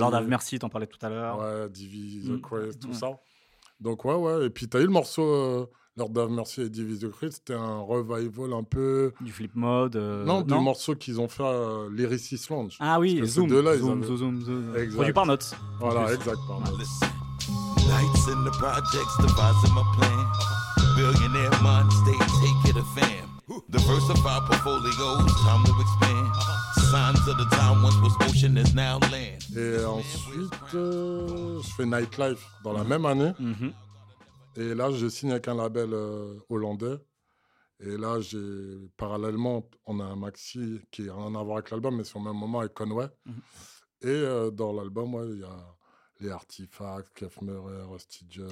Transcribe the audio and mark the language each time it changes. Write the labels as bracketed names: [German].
[French] Lord of Mercy, t'en parlais tout à l'heure. Ouais, Divi the Crest, mm-hmm. tout mm-hmm. ça. Donc, ouais, ouais. Et puis, t'as eu le morceau Lord of Mercy et Divi the Crest. C'était un revival un peu. Du flip mode. Du morceau qu'ils ont fait à Lyricist Lounge. Ah oui, Zoom. Ces deux-là, Zoom. Produit par Notes. Voilà, exact. Par Notes. [English] Lights in the projects, devising my plan. Billionaire mind state, take it a fam. Diversify portfolios, time to expand. Signs of the time once was ocean is now land. [French] Et ensuite, je fais Nightlife dans la même année. Mm-hmm. Et là, je signe avec un label hollandais. Et là, j'ai parallèlement, on a un maxi qui n'a rien à voir avec l'album, mais c'est au même moment avec Conway. Mm-hmm. Et dans l'album, ouais, il y a les Artifacts, Kef Murray, Rusty Jones.